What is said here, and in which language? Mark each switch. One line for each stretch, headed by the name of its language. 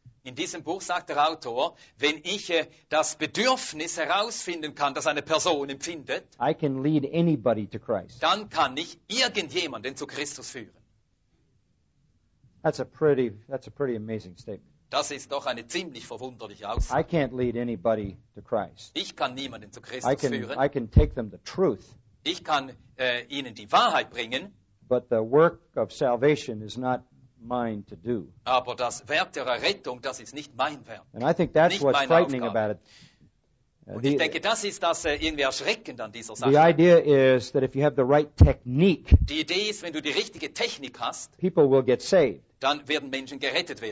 German: In diesem Buch sagt der Autor, wenn ich das Bedürfnis herausfinden kann, das eine Person empfindet,
English: I can lead anybody to Christ.
German: Dann kann ich irgendjemanden zu Christus führen.
English: That's a pretty amazing statement.
German: Das ist doch eine ziemlich verwunderliche Aussage.
English: I can't lead anybody to Christ.
German: Ich kann niemanden zu Christus führen.
English: I can take them the truth.
German: Ich kann ihnen die Wahrheit bringen.
English: But the work of salvation is not mine to do.
German: Aber das Werk der Errettung, das ist nicht mein Werk.
English: And I think that's
German: nicht
English: what's frightening
German: Aufgabe.
English: About it.
German: Und ich denke, das ist das irgendwie erschreckend an dieser Sache.
English: The idea is that if you have the right technique,
German: die Idee ist, wenn du die richtige Technik hast,
English: people will get saved.
German: Dann werden Menschen gerettet werden.